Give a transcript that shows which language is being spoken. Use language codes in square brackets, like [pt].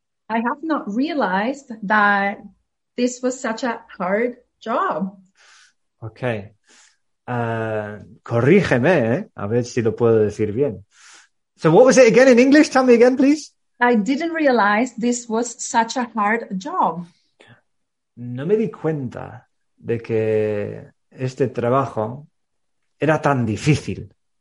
[en] I have not realized that this was such a hard job. Okay. [es] Corrígeme, a ver si lo puedo decir bien. [en] So what was it again in English? Tell me again, please. I didn't realize this was such a hard job. [es] No me di cuenta de que este trabajo era tan difícil.